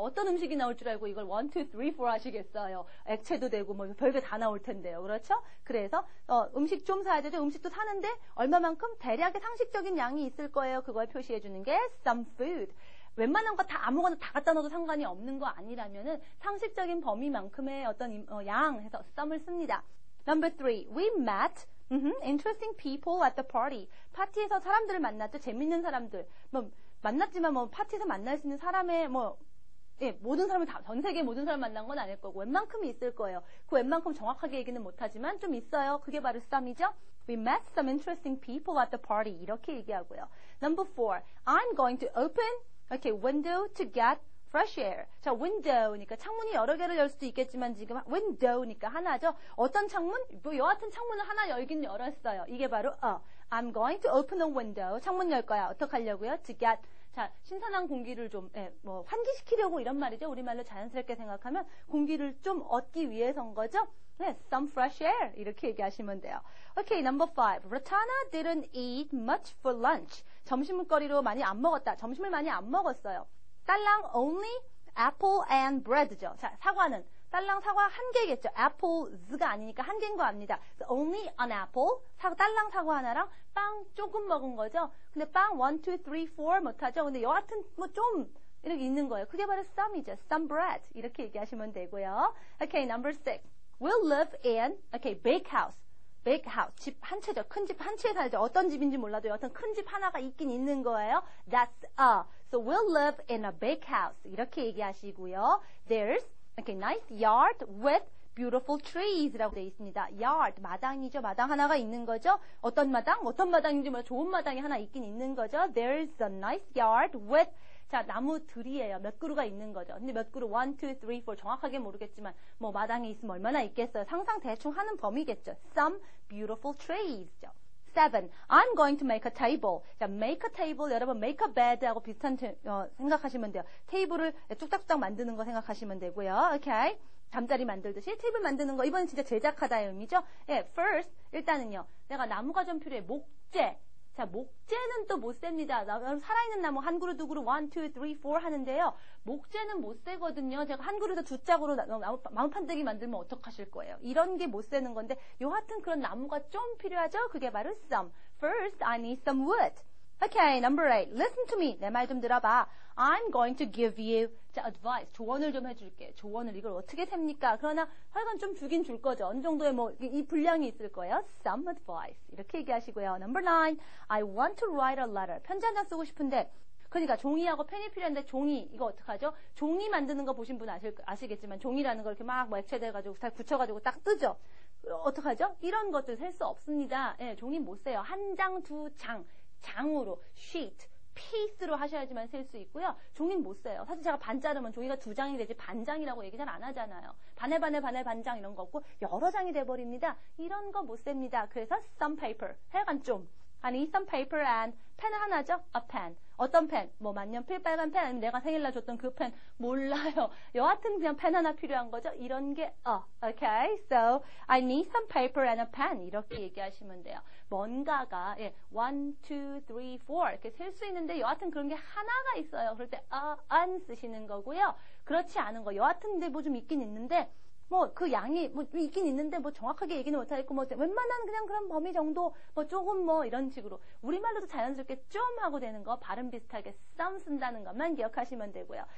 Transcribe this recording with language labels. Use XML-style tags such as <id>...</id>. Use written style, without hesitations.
<ko>어떤 음식이 나올 줄 알고 이걸 1, 2, 3, 4 하시겠어요. 액체도 되고 뭐 별게 다 나올 텐데요. 그렇죠? 그래서 음식 좀 사야 되죠. 음식도 사는데 얼마만큼 대략의 상식적인 양이 있을 거예요. 그걸 표시해 주는 게 some food. 웬만한 거 다 아무거나 다 갖다 넣어도 상관이 없는 거 아니라면은 상식적인 범위만큼의 어떤 양 해서 some을 씁니다.</ko> <en>Number 3. We met interesting people at the party.</en> <ko>파티에서 사람들을 만났죠. 재밌는 사람들. 뭐 만났지만 뭐 파티에서 만날 수 있는 사람의 뭐 모든 사람을 다 전 세계 모든 사람 만난 건 아닐 거고 웬만큼이 있을 거예요. 그 웬만큼 정확하게 얘기는 못하지만 좀 있어요. 그게 바로 some이죠.</ko> <en>We met some interesting people at the party.</en> <ko>이렇게 얘기하고요.</ko> <en>Number 4. I'm going to open okay window to get fresh air.</en> <ko>자, window니까 창문이 여러 개를 열 수도 있겠지만 지금 window니까 하나죠. 어떤 창문? 뭐 여하튼 창문을 하나 열긴 열었어요. 이게 바로</ko> <en>I'm going to open a window.</en> <ko>창문 열 거야. 어떡하려고요?</ko> <en>To get</en> <ko>자, 신선한 공기를 좀 뭐 환기시키려고 이런 말이죠. 우리말로 자연스럽게 생각하면 공기를 좀 얻기 위해서인 거죠.</ko> <en>Some fresh air.</en> <ko>이렇게 얘기하시면 돼요.</ko> <en>Okay, number 5. Rotana didn't eat much for lunch.</en> <ko>점심거리로 많이 안 먹었다. 점심을 많이 안 먹었어요. 딸랑</ko> <en>only apple and bread죠.</en> <ko>자, 사과는 딸랑 사과 한 개겠죠. apples가 아니니까 한 개인 거 압니다.</ko> <en>So only an apple,</en> <ko>딸랑 사과 하나랑 빵 조금 먹은 거죠. 근데 빵 1, 2, 3, 4 못하죠. 근데 여하튼 뭐 좀 이렇게 있는 거예요. 그게 바로 some이죠.</ko> <en>some bread</en> <ko>이렇게 얘기하시면 되고요.</ko> <en>Okay, number 6. We'll live in okay, big house. Big house,</en> <ko>집 한 채죠. 큰 집 한 채에 살죠. 어떤 집인지 몰라도 여하튼 큰 집 하나가 있긴 있는 거예요.</ko> <en>That's a. So we'll live in a big house.</en> <ko>이렇게 얘기하시고요.</ko> <en>There's okay, nice yard with beautiful trees</en> <ko>라고 되어 있습니다. Yard, 마당이죠. 마당 하나가 있는 거죠. 어떤 마당? 어떤 마당인지 몰라 좋은 마당이 하나 있긴 있는 거죠.</ko> <en>There's a nice yard with</en> <ko>자, 나무들이에요. 몇 그루가 있는 거죠. 근데 몇 그루, 1, 2, 3, 4, 정확하게 모르겠지만 뭐 마당에 있으면 얼마나 있겠어요. 상상 대충 하는 범위겠죠.</ko> <en>Some beautiful trees</en> <ko>죠.</ko> <en>7. I'm going to make a table. 자, make a table.</en> <ko>여러분, make a bed하고 비슷한 생각하시면 돼요. 테이블을 뚝딱뚝딱 만드는 거 생각하시면 되고요.</ko> <en>Okay.</en> <ko>잠자리 만들듯이 테이블 만드는 거. 이번엔 진짜 제작하다의 의미죠? 예, first. 일단은요. 내가 나무가 좀 필요해. 목재. 자, 목재는 또 못 셉니다. 살아있는 나무 한 그루 두 그루 1, 2, 3, 4 하는데요. 목재는 못 세거든요. 제가 한 그루에서 두 짝으로 나무판대기 만들면 어떡하실 거예요. 이런 게 못 세는 건데 여하튼 그런 나무가 좀 필요하죠. 그게 바로</ko> <en>some. First, I need some wood. Okay, number 8. Listen to me.</en> <ko>내 말 좀 들어봐.</ko> <en>I'm going to give you advice.</en> <ko>조언을 좀 해줄게. 조언을 이걸 어떻게 셉니까? 그러나 하여간 좀 주긴 줄 거죠. 어느 정도의 뭐 이 분량이 있을 거예요.</ko> <en>Some advice.</en> <ko>이렇게 얘기하시고요.</ko> <en>Number 9. I want to write a letter.</en> <ko>편지 한 장 쓰고 싶은데 그러니까 종이하고 펜이 필요한데 종이 이거 어떡하죠? 종이 만드는 거 보신 분 아시겠지만 종이라는 걸 이렇게 막 액체 돼가지고 다 붙여가지고 딱 뜨죠. 어떡하죠? 이런 것들 셀 수 없습니다. 예, 종이 못 세요. 한 장, 두 장. 장으로 sheet, piece로 하셔야지만 셀 수 있고요. 종이는 못 써요. 사실 제가 반자르면 종이가 두 장이 되지 반장이라고 얘기 잘 안 하잖아요. 반에 반에 반에 반장 이런 거 없고 여러 장이 돼버립니다. 이런 거 못 셉니다. 그래서 some paper, 하여간 좀.</ko> <en>I need some paper and</en> <ko>펜을 하나죠?</ko> <en>A pen.</en> <ko>어떤 펜? 뭐 만년필 빨간 펜 아니면 내가 생일날 줬던 그 펜? 몰라요. 여하튼 그냥 펜 하나 필요한 거죠? 이런 게 a.</ko> <en>Okay, so I need some paper and a pen.</en> <ko>이렇게 얘기하시면 돼요. 뭔가가 예, 1, 2, 3, 4 이렇게 셀 수 있는데 여하튼 그런 게 하나가 있어요. 그럴 때 a, an 쓰시는 거고요. 그렇지 않은 거 여하튼 뭐 좀 있긴 있는데 뭐 그 양이 뭐 있긴 있는데 뭐 정확하게 얘기는 못하겠고 뭐 웬만한 그냥 그런 범위 정도 뭐 조금 뭐 이런 식으로 우리말로도 자연스럽게 좀 하고 되는 거 발음 비슷하게 some 쓴다는 것만 기억하시면 되고요.</ko>